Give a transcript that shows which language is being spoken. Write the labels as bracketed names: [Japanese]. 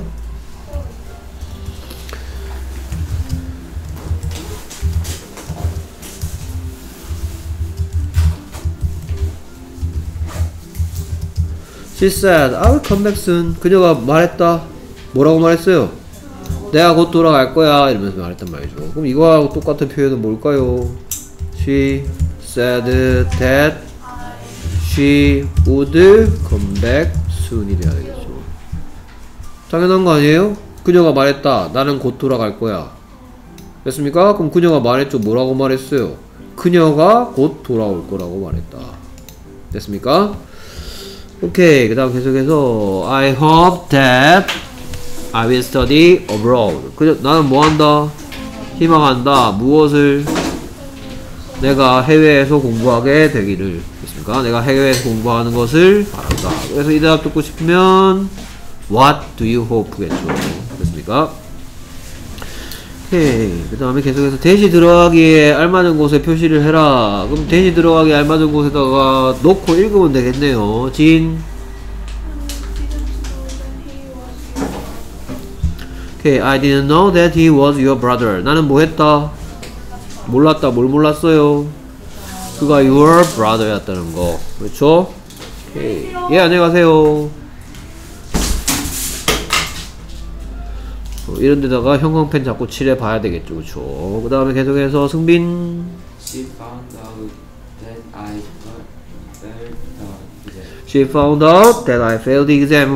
[English] 응. She said, I will come back soon. [Korean] 그녀가 말했다. 뭐라고 말했어요? 내가 곧 돌아갈 거야 이러면서 말했단 말이죠. 그럼 이거하고 똑같은 표현은 뭘까요? [English] She said that she would come back soon [Korean] 이 돼야 되겠죠. 당연한 거 아니에요? 그녀가 말했다. 나는 곧 돌아갈 거야. 됐습니까? 그럼 그녀가 말했죠. 뭐라고 말했어요? 그녀가 곧 돌아올 거라고 말했다. 됐습니까? 오케이. 그 다음 계속해서 [English] I hope that I will study abroad. [Korean] 그저 나는 뭐 한다? 희망한다. 무엇을? 내가 해외에서 공부하게 되기를. 됐습니까? 내가 해외에서 공부하는 것을 바란다. 그래서 이 대답 듣고 싶으면 [English] What do you hope? [Korean] 겠죠. 됐습니까? 오케이. 그 다음에 계속해서 대시 들어가기에 알맞은 곳에 표시를 해라. 그럼 대시 들어가기에 알맞은 곳에다가 놓고 읽으면 되겠네요. 진. [English] 오케이, okay, I didn't know that he was your brother. [Korean] 나는 뭐 했다? 몰랐다. 뭘 몰랐어요? 그가 your brother였다는 거. 그렇죠? 오케이. Okay. 예, 안녕하세요. 어, 이런 데다가 형광펜 자꾸 칠해 봐야 되겠죠. 그렇죠? 그 다음에 계속해서 승빈. [English] She found out that I failed the exam. She found out that I failed the exam.